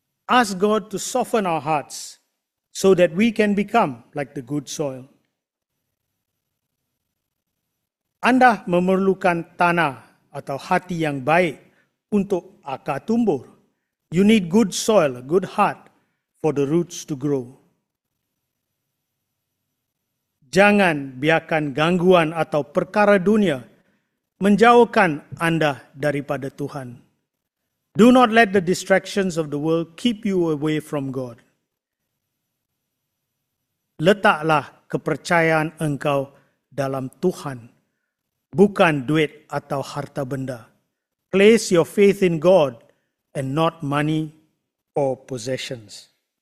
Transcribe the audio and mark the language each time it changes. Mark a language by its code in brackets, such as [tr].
[en] Ask God to soften our hearts so that we can become like the good soil. [ms] Anda memerlukan tanah atau hati yang baik untuk akar tumbuh. [en] You need good soil, good heart for the roots to grow. [ms] Jangan biarkan gangguan atau perkara dunia menjauhkan anda daripada Tuhan. [en] Do not let the distractions of the world keep you away from God. [ms] Letaklah kepercayaan engkau dalam Tuhan, bukan duit atau harta benda. [en] Place your faith in God and not money or possessions.